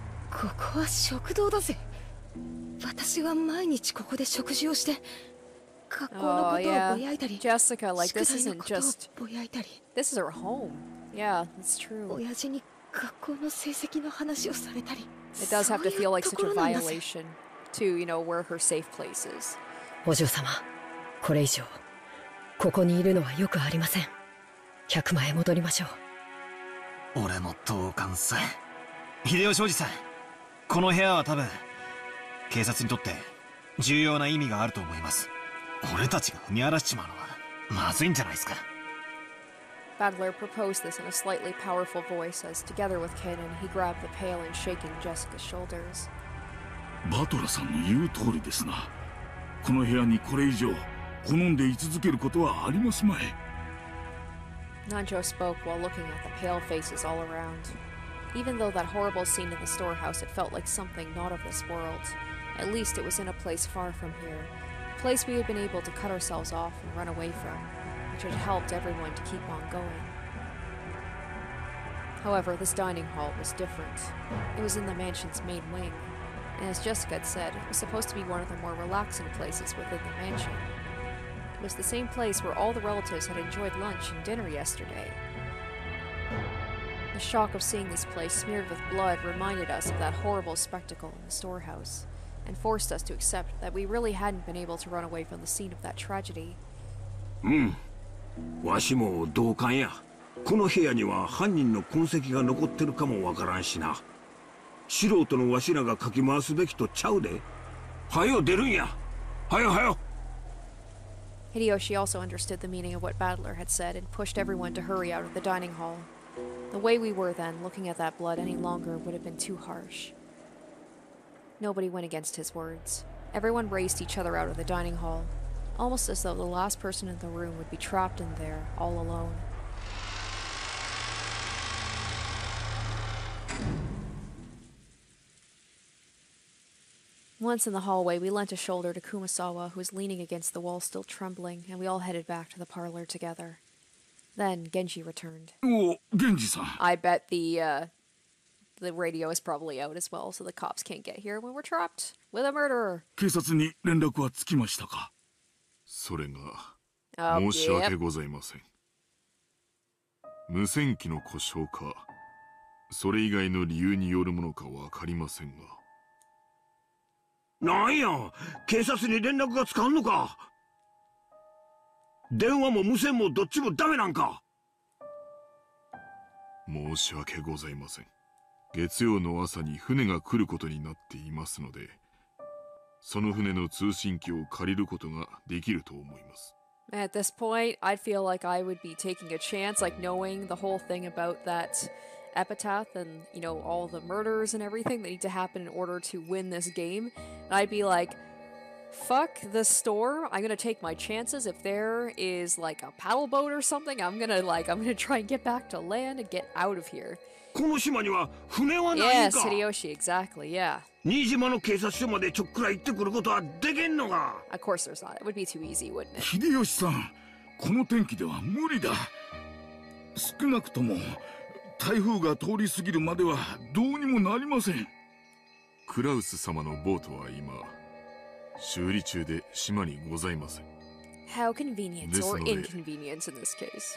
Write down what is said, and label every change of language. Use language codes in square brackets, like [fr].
[ja] ここは食堂だぜ。私は毎日ここで食事をして学校のことをぼやいたり、宿題のことをぼやいたり。 [en] Jessica, like, this isn't just... [ja] ぼやいたり。 [en] This is her home. Yeah, it's true. [ja] 親父に学校の成績の話をされたり、 [en] It does have to feel like such a violation to, you know, where her safe place is. [ja] お嬢様、これ以上ここにいるのはよくありません。百万へ戻りましょう。俺も同感さ。秀吉おじさん、この部屋は多分警察にとって重要な意味があると思います。俺たちが踏み荒らしちまうのはまずいんじゃないですか。 [en] Badler proposed this in a slightly powerful voice as, together with Kanan, he grabbed the pail and shaking Jessica's shoulders. [ja] Batura-san の言う通りですな。この部屋にこれ以上好んで居続けることはありますまい。 [en] Nanjo spoke while looking at the pale faces all around. Even though that horrible scene in the storehouse, it felt like something not of this world. At least it was in a place far from here. A place we had been able to cut ourselves off and run away from. Which had helped everyone to keep on going. However, this dining hall was different. It was in the mansion's main wing, and as Jessica had said, it was supposed to be one of the more relaxing places within the mansion. It was the same place where all the relatives had enjoyed lunch and dinner yesterday. The shock of seeing this place smeared with blood reminded us of that horrible spectacle in the storehouse, and forced us to accept that we really hadn't been able to run away from the scene of that tragedy. [ja] わしも同感や。この部屋には犯人の痕跡が残ってるかもわからんしな。素人のわしらがかき回すべきとちゃうで。早出るんや。早早。 [en] Hideyoshi also understood the meaning of what Badler had said and pushed everyone to hurry out of the dining hall. The way we were then, looking at that blood any longer would have been too harsh. Nobody went against his words. Everyone raced each other out of the dining hall. Almost as though the last person in the room would be trapped in there, all alone. Once in the hallway, we lent a shoulder to Kumasawa, who was leaning against the wall still trembling, and we all headed back to the parlor together. Then, Genji returned. Oh, Genji-san. I bet the radio is probably out as well, so the cops can't get here when we're trapped with a murderer. [ja] 警察に連絡はつきましたか? それが申し訳ございません。無線機の故障か、それ以外の理由によるものかわかりませんが。なんや、警察に連絡がつかんのか。電話も無線もどっちもダメなんか。申し訳ございません。月曜の朝に船が来ることになっていますので、その船の通信機を借りることができると思います。 [en] At this point, I feel like I would be taking a chance, like knowing the whole thing about that epitaph and, you know, all the murders and everything that need to happen in order to win this game. And I'd be like, fuck the storm. I'm going to take my chances. If there is like a paddle boat or something, I'm going to try and get back to land and get out of here. [ja] この島には船はないか? [en] Yes, Hideyoshi, exactly, yeah. Of course there's not. It would be too easy, wouldn't it? [ja] Hideyoshi-san, この天気では無理だ。少なくとも台風が通り過ぎるまではどうにもなりません。クラウス様のボートは今修理中で島にございません。 [en] How convenient or inconvenient in this case?